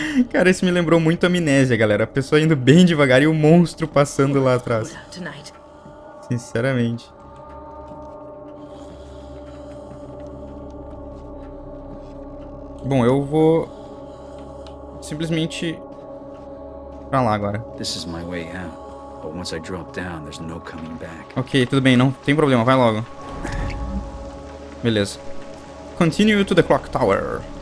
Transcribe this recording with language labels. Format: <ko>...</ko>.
<pt>Cara, isso me lembrou muito Amnésia, galera. A pessoa indo bem devagar e o monstro passando lá atrás. Sinceramente. Bom, eu vou simplesmente pra lá agora.</pt> <en>This is my way out. But once I drop down, there's no coming back.</en> <pt>Ok, tudo bem, não tem problema, vai logo. Beleza.</pt> <en>Continue to the clock tower.</en>